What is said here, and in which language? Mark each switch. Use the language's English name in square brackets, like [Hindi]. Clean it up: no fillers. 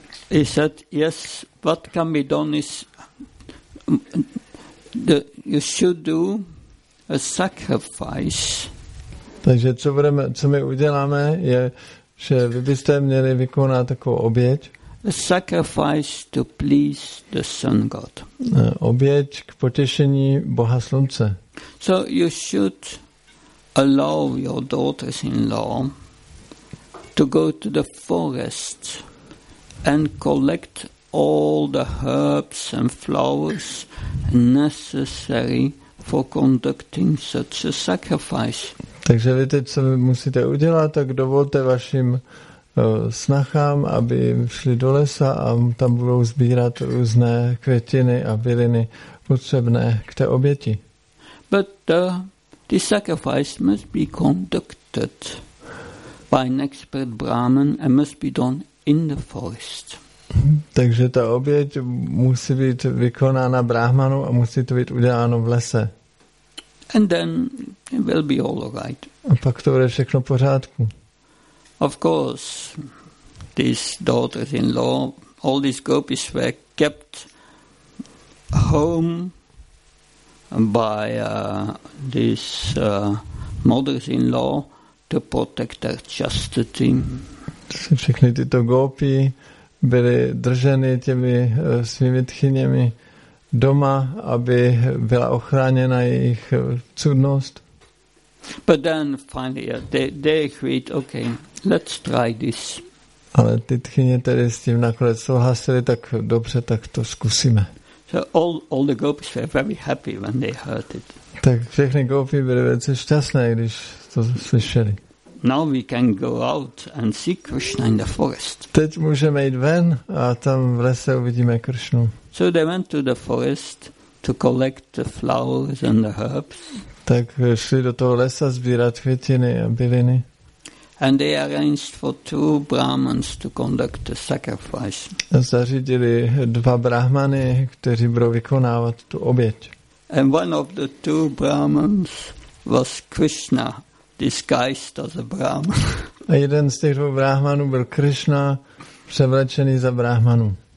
[English] He said, yes, what can be done is you should do a sacrifice [Czech] Takže co budeme, co my uděláme, je, že vy byste měli vykonat takovou oběť. [English] A sacrifice to please the sun god. [Czech] Oběť k potěšení Boha slunce. [English] So you should allow your daughters-in-law to go to the forest and collect all the herbs and flowers necessary for conducting such a sacrifice. [Czech] Takže vy teď, co musíte udělat, tak dovolte vašim snachám, aby šli do lesa a tam budou sbírat různé květiny a byliny potřebné k té oběti. [English] But the sacrifice must be conducted by an expert Brahman and must be done in the forest. [Czech] Takže ta oběť musí být vykonána Brahmanu a musí to být uděláno v lese. [English] And then it will be all right. [Czech] A pak to bude všechno v pořádku. [English] Of course, these daughters-in-law, all these gopis were kept home by these mothers-in-law to protect their chastity. [Czech] Všechny tyto gopi byly drženy těmi svými tchyněmi doma, aby byla ochráněna jejich cudnost. [English] But then finally they agreed, okay, let's try this. [Czech] Ale ty tchyně tedy s tím nakonec souhlasili, tak dobře, tak to zkusíme. [English] So all the gopis were very happy when they heard it. [Czech] Tak všechny gopi byly velice šťastné, když to slyšeli. [English] Now we can go out and see Krishna in the forest. [Czech] Teď můžeme jít ven a tam v lese uvidíme Krishnu. [English] So they went to the forest to collect the flowers and the herbs. [Czech] Tak šli do toho lesa sbírat květiny a byliny. [English] And they arranged for two Brahmans to conduct the sacrifice. [Czech] Zařídili dva Brahmany, kteří budou vykonávat tu oběť. [English] And one of the two Brahmans was Krishna, disguised as a Brahman. [Czech] A jeden z těch dvou Brahmanů byl Krishna, převlečený za Brahmanu.